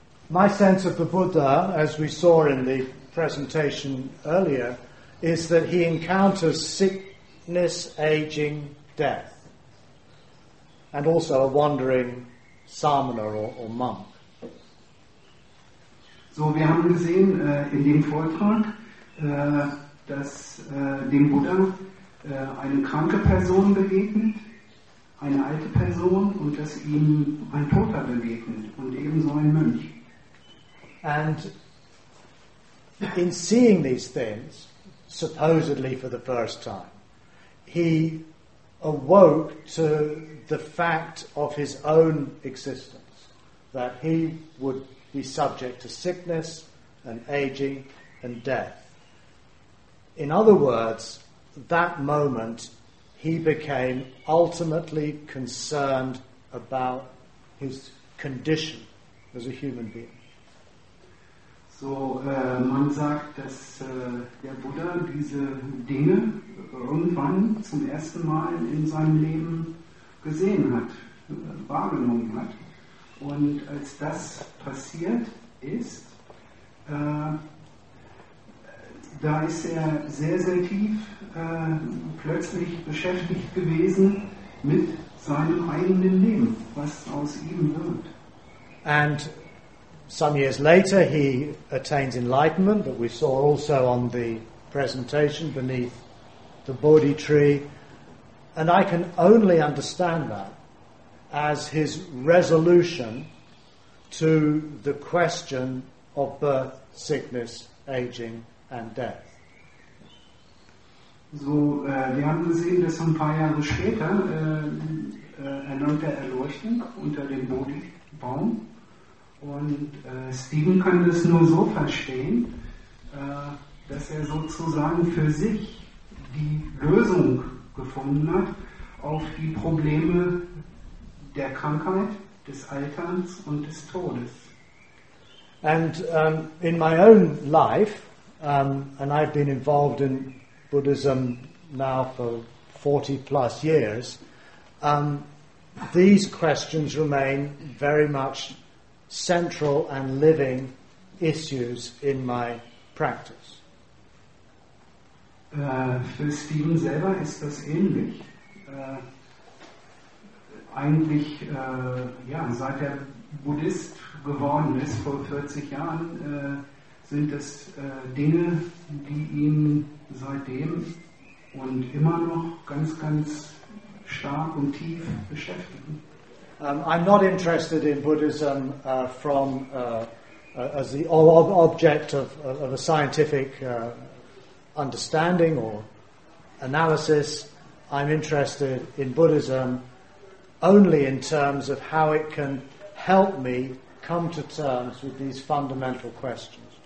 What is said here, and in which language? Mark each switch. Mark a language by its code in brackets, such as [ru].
[en] My sense of the Buddha, as we saw in the presentation earlier, is that he encounters sickness, aging, death, and also a wandering samana or monk. [de] So, wir haben gesehen in dem Vortrag, dass dem Buddha eine kranke Person begegnet, eine alte Person, und dass ihm ein Toter begegnet, und ebenso ein Mönch. [en] And in seeing these things, supposedly for the first time, he awoke to the fact of his own existence, that he would be subject to sickness and aging and death. In other words, that moment he became ultimately concerned about his condition as a human being. [de] So, man sagt, dass der Buddha diese Dinge irgendwann zum ersten Mal in seinem Leben gesehen hat, wahrgenommen hat. Und als das passiert ist, da ist er sehr, sehr tief plötzlich beschäftigt gewesen mit seinem eigenen Leben, was aus ihm wird. [en] And some years later, he attains enlightenment, that we saw also on the presentation beneath the Bodhi tree. And I can only understand that as his resolution to the question of birth, sickness, aging, and death. [de] So, wir haben gesehen, dass ein paar Jahre später erneut der Erleuchtung unter dem Bodhi-Baum. Und Stephen kann das nur so verstehen, dass er sozusagen für sich die Lösung gefunden hat auf die Probleme der Krankheit, des Alterns und des Todes. [en] And in my own life, and I've been involved in Buddhism now for 40 plus years, these questions remain very much central and living issues in my practice. [de] Für Stephen selber ist das ähnlich. Eigentlich, ja, seit er Buddhist geworden ist vor 40 Jahren, sind es Dinge, die ihn seitdem und immer noch ganz, ganz stark und tief beschäftigen. [en] I'm not interested in Buddhism from as the object of a scientific understanding or analysis. I'm interested in Buddhism only in terms of how it can help me come to terms with these fundamental questions.